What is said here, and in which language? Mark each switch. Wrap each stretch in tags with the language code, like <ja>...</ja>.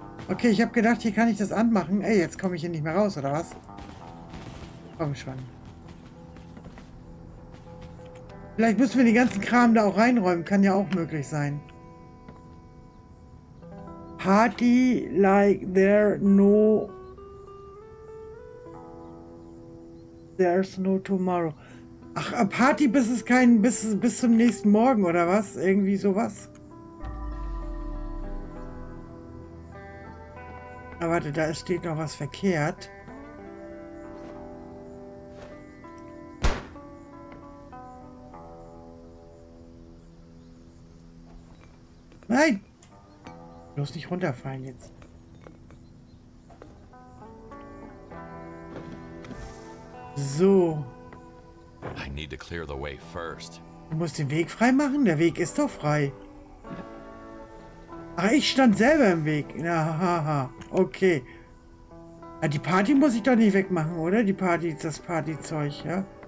<de>Okay, ich habe gedacht, hier kann ich das anmachen. Ey, jetzt komme ich hier nicht mehr raus, oder was? Komm schon. Vielleicht müssen wir den ganzen Kram da auch reinräumen. Kann ja auch möglich sein.</de> <en>Party like there's no tomorrow.</en> <de>Ach, a Party bis es kein bis zum nächsten Morgen oder was? Irgendwie sowas. Aber warte, da steht noch was verkehrt. Nein! Bloß nicht runterfallen jetzt. So.</de> <en>I need to clear the way first.</en> <de>Du musst den Weg frei machen? Der Weg ist doch frei. Ach, ich stand selber im Weg. Na, haha. Okay. Ja, die Party muss ich doch nicht wegmachen, oder? Die Party, das Partyzeug, ja?</de>